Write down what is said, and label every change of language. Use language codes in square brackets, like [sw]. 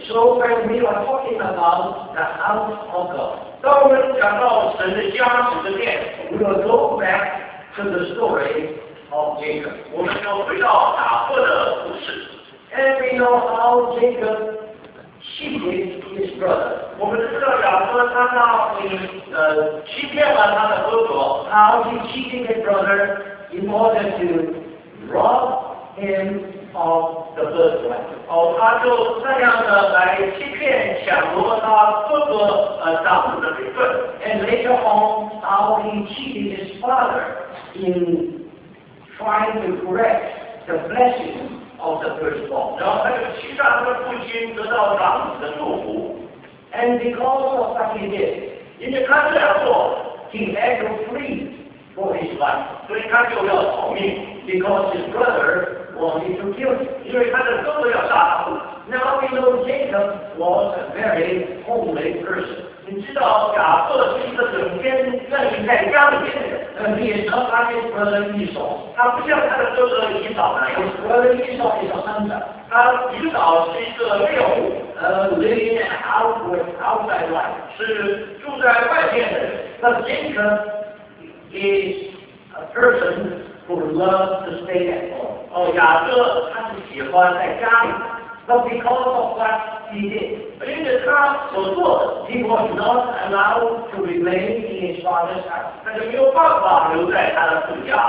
[en] So when we are talking about the house of God, [zh] 当我们讲到神的家、神的殿， [en] we will go back to the story of Jacob. [zh] 我们要回到雅各的故事。 [en] And we know how Jacob cheated his brother. [zh] 我们知道雅各他欺骗了他的哥哥。 [en] How he cheated his brother in order to rob him of the birthright. [zh] 他就这样的来欺骗抢夺他哥哥掌的名分。 [en] And later on, how he cheated his father in trying to correct the blessing of the firstborn. [zh] 然后他就欺诈他的父亲得到长子的祝福。 [en] And because of what he did, [zh] 因为他这样做, [en] he had to flee for his life. [zh] 所以他就要逃命。 [en] Because his brother wanted to kill him. [zh] 因为他的哥哥要杀他。 [en] Now we know Jacob was a very homely person. [zh] 你知道雅各是一个整天愿意在家里面的人。 [en] And he is not like his brother Esau. [zh] 他不像他的哥哥以扫那样。 [en] His brother Esau is a hunter. [zh] 他以扫是一个猎户。 [en] Living in an outside life. [zh] 是住在外面的人。 [en] But Jacob is a person who loves to stay at home. [zh] 雅各他是喜欢在家里。 [en] But because of what he did, [zh] 因为他所做, [en] he was not allowed to remain in his father's house. [zh] 他就没有办法留在他的父家。